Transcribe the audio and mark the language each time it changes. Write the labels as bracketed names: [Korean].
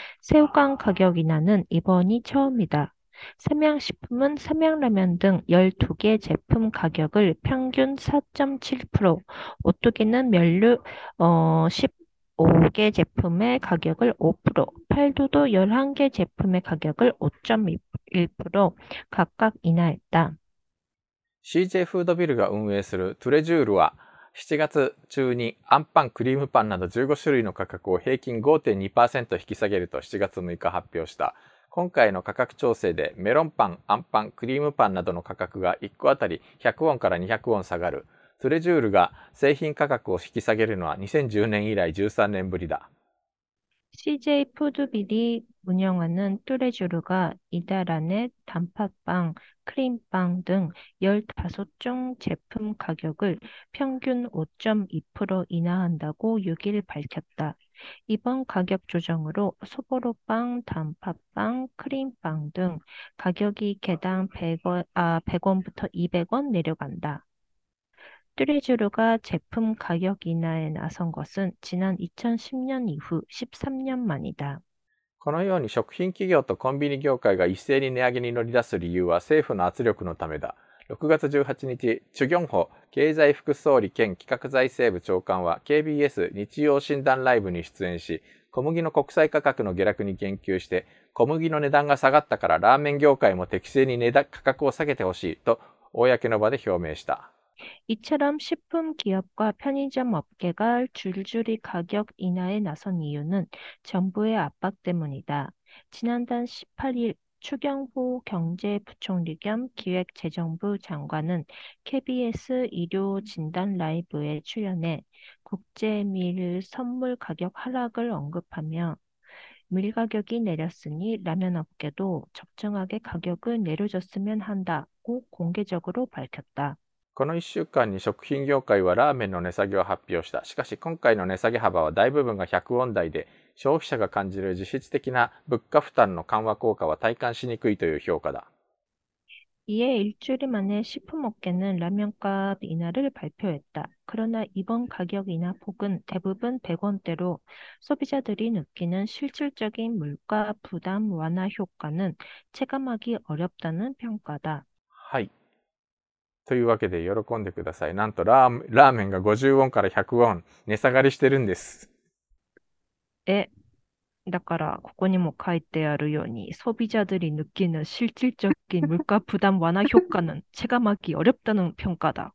[Korean] 새우깡 가격 인하는 이번이 처음이다. 삼양식품은 삼양라면 등 12개 제품 가격을 평균 4.7%, 오뚜기는 멸류 15개 제품의 가격을 5%, 팔도도 11개 제품의 가격을 5.1% 각각 인하했다. [Japanese] CJ フードビルが運営するトレジュールは7月中にアンパン、クリームパンなど15種類の価格を平均5.2%引き下げると7月6日発表した。今回の価格調整でメロンパン、アンパン、クリームパンなどの価格が1個あたり100ウォンから200ウォン下がる。トレジュールが製品価格を引き下げるのは2010年以来13年ぶりだ。 [Korean] CJ 푸드빌이 운영하는 뚜레쥬르가 이달 안에 단팥빵, 크림빵 등 15종 제품 가격을 평균 5.2% 인하한다고 6일 밝혔다. 이번 가격 조정으로 소보로빵, 단팥빵, 크림빵 등 가격이 개당 100원부터 200원 내려간다. 뚜레쥬르가 제품 가격 인하에 나선 것은 지난 2010년 이후 13년 만이다. [Japanese] このように食品企業とコンビニ業界が一斉に値上げに乗り出す理由は政府の圧力のためだ。 6月18日、チュ・ギョンホ経済副総理兼企画財政部長官は KBS 日曜診断ライブに出演し、小麦の国際価格の下落に言及して、小麦の値段が下がったからラーメン業界も適正に値段価格を下げてほしいと公の場で表明した。 [Korean] 이처럼 식품 기업과 편의점 업계가 줄줄이 가격 인하에 나선 이유는 정부의 압박 때문이다. 지난달 18일 추경호 경제부총리 겸 기획재정부 장관은 KBS 일요 진단 라이브에 출연해 국제밀 선물 가격 하락을 언급하며 밀 가격이 내렸으니 라면 업계도 적정하게 가격을 내려줬으면 한다고 공개적으로 밝혔다. [Japanese] この1週間に食品業界はラーメンの値下げを発表した。しかし今回の値下げ幅は大部分が100ウォン台で、消費者が感じる実質的な物価負担の緩和効果は体感しにくいという評価だ。 [Korean] 이에 일주일 만에 식품업계는 라면값 인하를 발표했다. 그러나 이번 가격 인하 폭은 대부분 100원대로 소비자들이 느끼는 실질적인 물가 부담 완화 효과는 체감하기 어렵다는 평가다. [Japanese] というわけで喜んでください。なんとラーメンが50ウォンから100ウォン値下がりしてるんです。だからここにも書いてあるように [Korean] 소비자들이느끼는실질적인물가부담완화효과는체감하기 어렵다는 평가다.